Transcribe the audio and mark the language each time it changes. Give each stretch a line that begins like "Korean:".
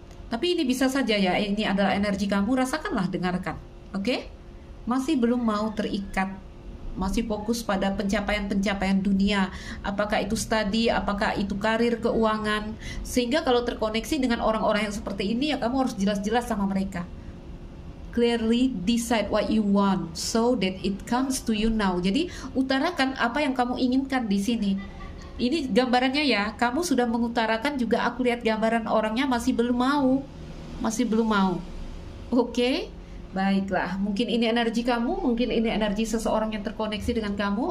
Indonesian: Tapi ini bisa saja ya, ini adalah energi kamu, rasakanlah, dengarkan. Oke? Masih belum mau terikat. Masih fokus pada pencapaian-pencapaian dunia. Apakah itu studi, apakah itu karir, keuangan. Sehingga kalau terkoneksi dengan orang-orang yang seperti ini, ya kamu harus jelas-jelas sama mereka.
English: Clearly decide what you want so that it comes to you now.
Indonesian: Jadi utarakan apa yang kamu inginkan di sini. Ini gambarannya ya, kamu sudah mengutarakan juga, aku lihat gambaran orangnya masih belum mau. Masih belum mau. Oke? Baiklah, mungkin ini energi kamu, mungkin ini energi seseorang yang terkoneksi dengan kamu.